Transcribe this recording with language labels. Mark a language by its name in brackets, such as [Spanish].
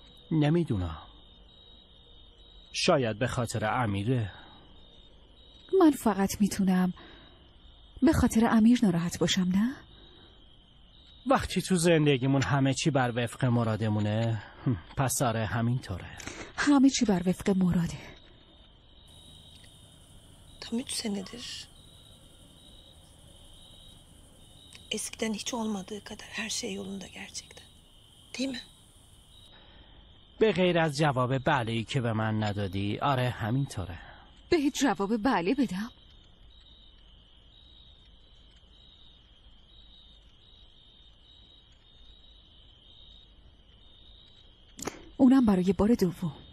[Persian] نمیدونم، شاید به خاطر امیره. من فقط میتونم به خاطر امیر ناراحت باشم. نه، وقتی تو زندگیمون همه چی بر وفق مرادمونه، پس آره همینطوره. همه چی بر وفق مراده. [Turkish] تام üç senedir. Eskiden hiç olmadığı kadar her şey yolunda gerçekten. Değil mi? [Persian] به غیر از جواب بله ای که به من ندادی، آره همینطوره. به هیچ جواب بله بدم؟ اونم برای بار دوم.